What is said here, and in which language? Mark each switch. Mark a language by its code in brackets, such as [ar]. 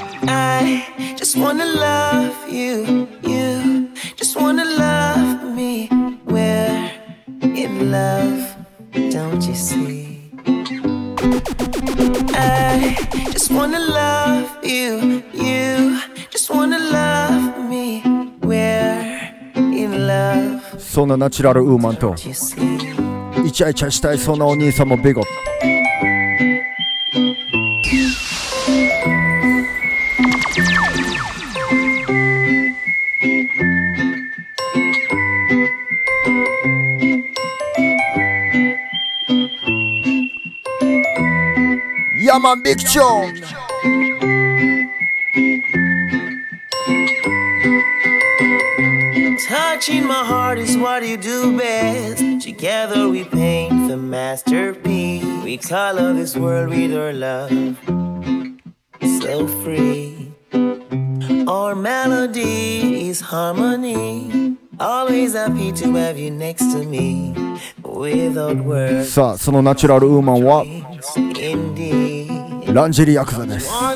[en] I just wanna love you, you just wanna love me. We're in love, don't you see? I just wanna love you, you just wanna love me. We're in love. [ja] そんなナチュラルウーマンとイチャイチャしたいそんなお兄さんもビゴ。 [en] Come on, Big John. Touching my heart is what you do best. Together we paint the masterpiece. We color this world with our love, so free. Our melody is harmony. Always happy to have you next to me. Without words. [ja] さあ、そのナチュラルウーマンは。ランジェリーヤクザです。